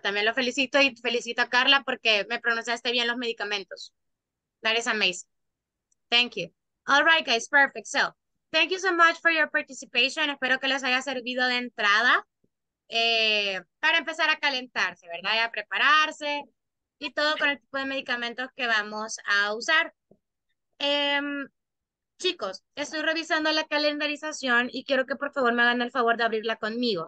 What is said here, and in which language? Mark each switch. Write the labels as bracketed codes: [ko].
[es] También lo felicito y felicito a Carla porque me pronunciaste bien los medicamentos. [en] That is amazing. Thank you. All right, guys, perfect. So, thank you so much for your participation. [es] Espero que les haya servido de entrada para empezar a calentarse, ¿verdad? Y a prepararse y todo con el tipo de medicamentos que vamos a usar. Chicos, estoy revisando la calendarización y quiero que por favor me hagan el favor de abrirla conmigo.